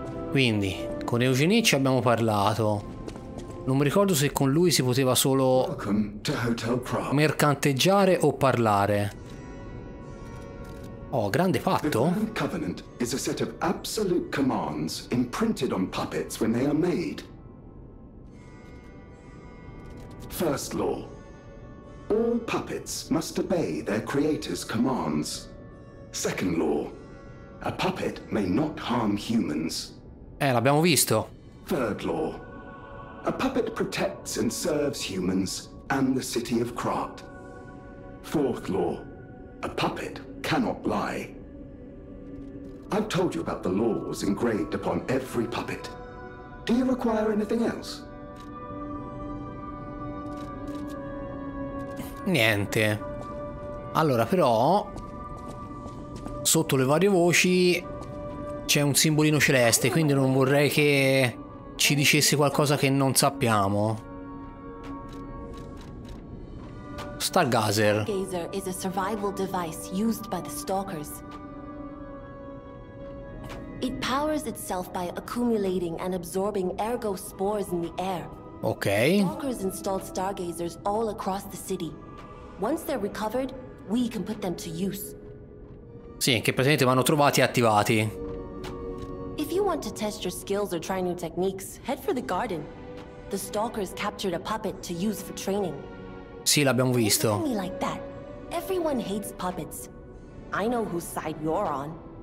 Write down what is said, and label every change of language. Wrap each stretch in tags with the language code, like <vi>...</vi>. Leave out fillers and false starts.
<it>Quindi, con Eugenie ci abbiamo parlato. Non mi ricordo se con lui si poteva solo mercanteggiare o parlare. Oh, grande patto.</it> <en>The Covenant is a set of absolute commands imprinted on puppets when they are made. First law. All puppets must obey their creator's commands. Second law. A puppet may not harm humans.</en> <it>L'abbiamo visto.</it> <en>Third law. A puppet protects and serves humans and the city of Krat. Fourth law. A puppet cannot lie. I've told you about the laws engraved upon every puppet. Do you require anything else?</en> <it>Niente. Allora, però, sotto le varie voci c'è un simbolino celeste, quindi non vorrei che ci dicesse qualcosa che non sappiamo.</it> <en>Stargazer. Stargazer is a survival device used by the stalkers. It powers itself by accumulating and absorbing ergo spores in the air. Ok. Stalkers installed stargazers all across the city. Once they're recovered, we can put them to use.</en> <it>Sì, che praticamente vanno trovati e attivati.</it> <en>If you want to test your skills or try new techniques, head for the garden. The stalkers captured a puppet to use for training.</en> <it>Sì, l'abbiamo visto.</it> <en>Don't be like that. Everyone hates puppets. I know whose side you're on.</en>